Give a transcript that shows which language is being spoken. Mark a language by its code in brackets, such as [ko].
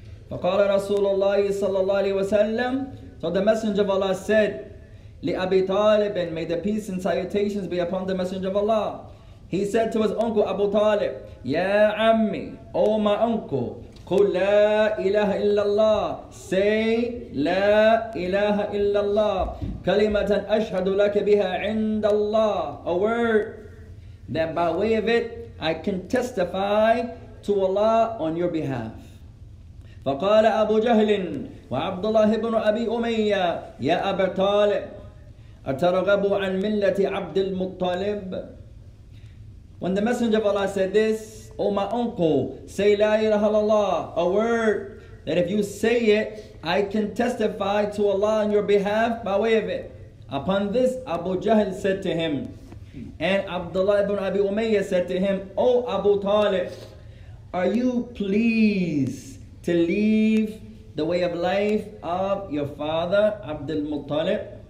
[ar] فَقَالَ رَسُولُ اللَّهِ صَلَّى اللَّهِ عَلَيْهِ وَسَلَّمُ. [en] So the Messenger of Allah said, [ar] لِأَبِي طَالِبٍ, [en] may the peace and salutations be upon the Messenger of Allah. He said to his uncle Abu Talib, [ar] يَا عَمِّي, [en] O my uncle, [ar] قل لا إله إلا الله. [en] Say [ar] لا إله إلا الله. كلمة أشهد لك بها عند الله. [en] A word that by way of it I can testify to Allah on your behalf. [ar] فقال أبو جهل وعبد الله بن أبي أمية يا أبا طالب أترغب عن ملة عبد المطلب. [en] When the Messenger of Allah said this, O my uncle, say La ilaha illallah, a word that if you say it, I can testify to Allah on your behalf by way of it. Upon this, Abu Jahl said to him, and Abdullah ibn Abi Umayyah said to him, O Abu Talib, are you pleased to leave the way of life of your father, Abd al-Muttalib?